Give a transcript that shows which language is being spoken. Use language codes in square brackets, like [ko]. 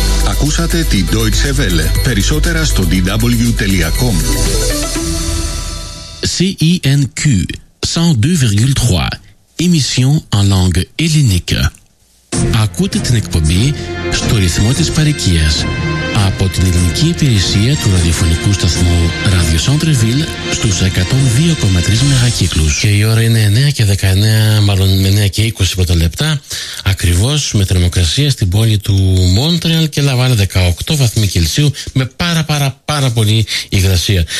[el] Ακούσατε την Deutsche Welle. Περισσότερα στο dw.com. [fr] CINQ 102,3. Émission en langue hellénique. [el] Ακούτε την εκπομπή στο ρυθμό της παροικίας από την ελληνική υπηρεσία του ραδιοφωνικού σταθμού Radio Centreville στους 102,3 μεγακύκλους. Και η ώρα είναι 9 και 20 πρώτα λεπτά, ακριβώς με θερμοκρασία στην πόλη του Μόντρεαλ και Λαβάλ 18 βαθμοί Κελσίου με πάρα πολύ υγρασία.